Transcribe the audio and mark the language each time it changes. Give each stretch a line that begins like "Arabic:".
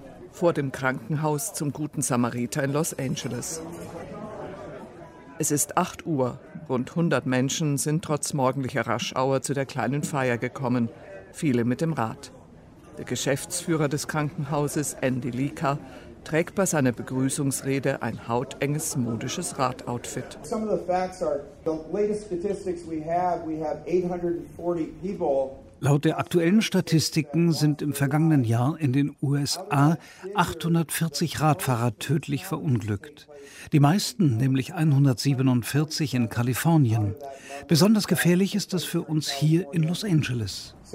German: Vor dem Krankenhaus zum Guten Samariter in Los Angeles. Es ist 8 Uhr. Rund 100 Menschen sind trotz morgendlicher Rush-Hour zu der kleinen Feier gekommen, viele mit dem Rad. Der Geschäftsführer des Krankenhauses, Andy Leaker, trägt bei seiner Begrüßungsrede ein hautenges modisches Radoutfit.
English: Some of the facts are the latest statistics we have 840 people.
German: Laut der aktuellen Statistiken sind im vergangenen Jahr in den USA 840 Radfahrer tödlich verunglückt. Die meisten, nämlich 147, in Kalifornien. Besonders gefährlich ist es für uns hier in Los Angeles.